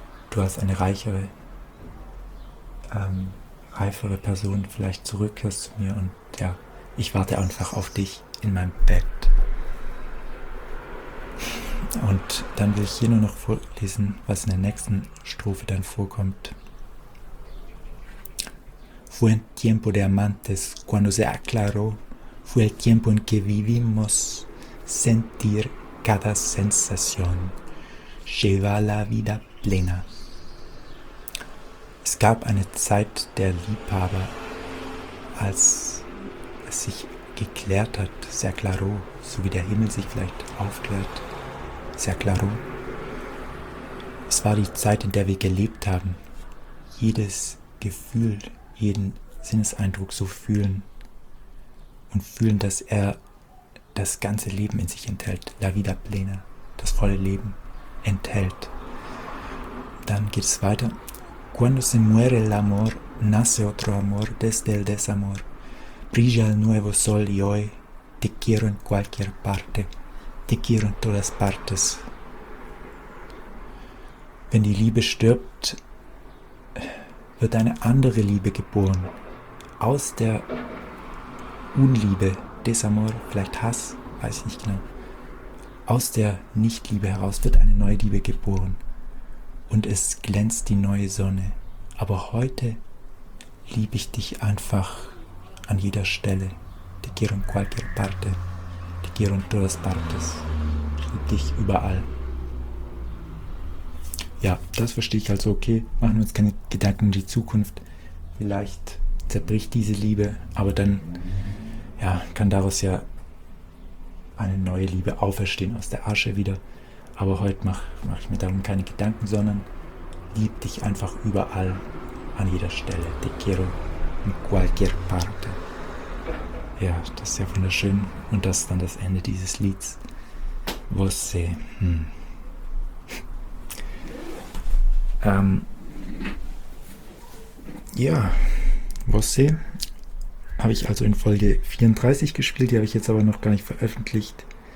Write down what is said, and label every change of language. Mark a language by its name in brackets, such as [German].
[German] du als eine reichere, reifere Person vielleicht zurückkehrst zu mir und ja, ich warte einfach auf dich in meinem Bett. Und dann will ich hier nur noch vorlesen, was in der nächsten Strophe dann vorkommt. [Spanish] Fue el tiempo de amantes, cuando se aclaró, fue el tiempo en que vivimos, sentir cada sensación, lleva la vida plena. [German] Es gab eine Zeit der Liebhaber, als es sich geklärt hat, sehr klaro, so wie der Himmel sich vielleicht aufklärt, sehr klaro. Es war die Zeit, in der wir gelebt haben, jedes Gefühl, jeden Sinneseindruck so fühlen und fühlen, dass er das ganze Leben in sich enthält, [Spanish] la vida plena, [German] das volle Leben enthält. Dann geht es weiter. [Spanish] Cuando se muere el amor, nace otro amor desde el desamor. Brilla el nuevo sol y hoy te quiero en cualquier parte, te quiero en todas partes. [German] Wenn die Liebe stirbt, wird eine andere Liebe geboren. Aus der Unliebe, Desamor, vielleicht Hass, weiß ich nicht genau. Aus der Nichtliebe heraus wird eine neue Liebe geboren. Und es glänzt die neue Sonne. Aber heute liebe ich dich einfach an jeder Stelle. [Spanish] Te quiero en cualquier parte. Te quiero en todas partes. [German] Ich liebe dich überall. Ja, das verstehe ich also okay. Machen wir uns keine Gedanken um die Zukunft. Vielleicht zerbricht diese Liebe, aber dann ja, kann daraus ja eine neue Liebe auferstehen aus der Asche wieder. Aber heute mach ich mir darum keine Gedanken, sondern lieb dich einfach überall, an jeder Stelle. [Spanish] Te quiero in cualquier parte. [German] Ja, das ist ja wunderschön. Und das ist dann das Ende dieses Lieds. Você. Ja, Você habe ich also in Folge 34 gespielt. Die habe ich jetzt aber noch gar nicht veröffentlicht.